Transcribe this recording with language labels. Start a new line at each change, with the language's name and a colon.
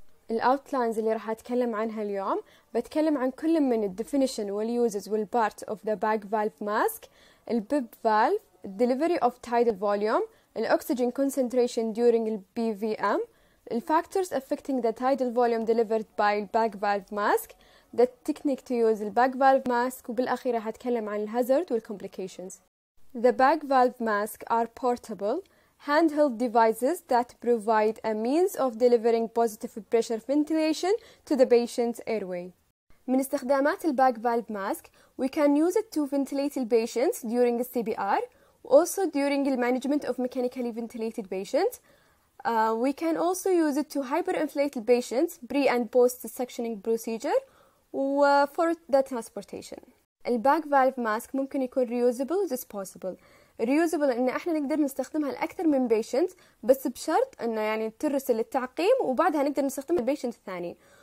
English: الأوتلاينز
Arabic: اللي راح أتكلم عنها اليوم بتكلم عن كل من
English: الديفينيشن واليوزز والبارت أوف ذا باك فالف ماسك، البيب فالف، الدليفري أوف تايدل فوليوم، الأكسجين كونسنتريشن دورينج البي في أم، the factors affecting the tidal volume delivered by the back valve mask, the technique to use the back valve mask,
Arabic: وبالأخير راح أتكلم عن
English: الهازرد والcomplications. The back valve masks are portable, handheld devices that provide a means of delivering positive pressure ventilation to the patient's airway.
Arabic: من استخدامات
English: the back valve mask, we can use it to ventilate the patients during the CPR, also during the management of mechanically ventilated patients. We can also use it to hyperinflate the patients pre and post the suctioning procedure for the transportation. The back valve mask
Arabic: ممكن يكون
English: reusable or disposable.
Arabic: Reusable إن إحنا نقدر نستخدمها لأكثر من patients بس بشرط إنه يعني ترسل للتعقيم وبعدها نقدر نستخدمها patient الثاني.